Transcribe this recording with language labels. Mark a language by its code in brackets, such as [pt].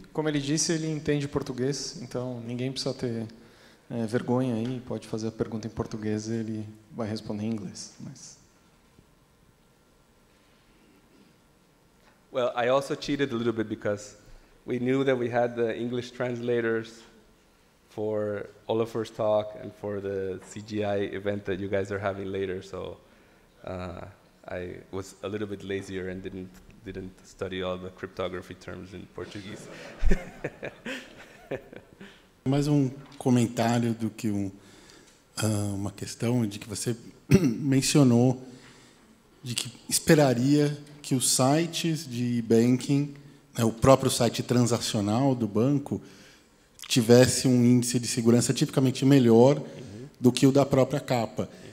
[pt] Como ele disse, ele entende português, então ninguém precisa ter vergonha aí, pode fazer a pergunta em português e ele vai responder em inglês. Mas... [en] Well, I also cheated a little bit because we knew that we had the English translators for Olafur's talk and for the CGI event that you guys are having later, so I was a little bit lazier and didn't study all the cryptography terms in Portuguese. [pt] Mais comentário do que uma questão de que você mencionou de que esperaria que os sites de banking, né, o próprio site transacional do banco, tivesse índice de segurança tipicamente melhor do que o da própria capa.